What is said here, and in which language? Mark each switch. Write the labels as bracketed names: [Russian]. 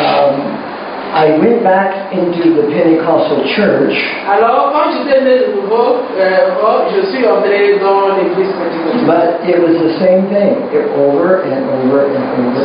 [English] And I went back into the Pentecostal church. [French] Alors, quand j'étais né de nouveau, je suis entré dans l'église Pentecostal. [English] But it was the same thing, over and over and over.